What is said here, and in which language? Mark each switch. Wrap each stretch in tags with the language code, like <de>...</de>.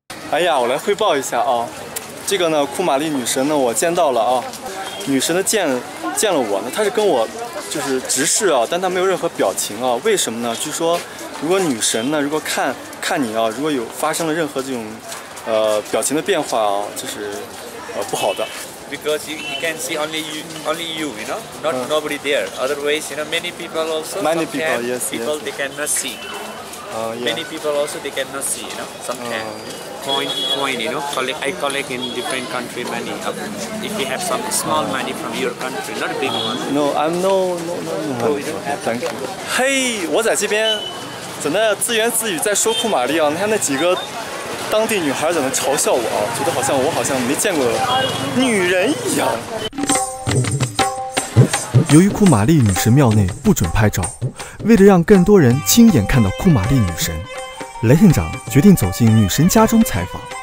<zh>哎呀，我来汇报一下啊，这个呢库玛丽女神呢我见到了啊，女神的见了我呢，她是跟我就是直视啊，但他没有任何表情啊，为什么呢？据说如果女神呢，如果看你啊，如果有发生了任何这种表情的变化啊，就是不好的。</zh> <en>Because he can see only you, you know, not nobody there. Otherwise, you know, many people also. Many people, yes, yes. People they cannot see. Many people also they cannot see, you know, coin, you know, I collect in different country money. If you have some small money from your country, not a big one. No, I'm no. Thank you.</en> <zh>Hey, 我在这边，在那自言自语在说库玛丽啊，你看那几个当地女孩在那嘲笑我啊，觉得好像没见过女人一样。由于库玛丽女神庙内不准拍照，为了让更多人亲眼看到库玛丽女神，雷县长决定走进女神家中采访。</zh>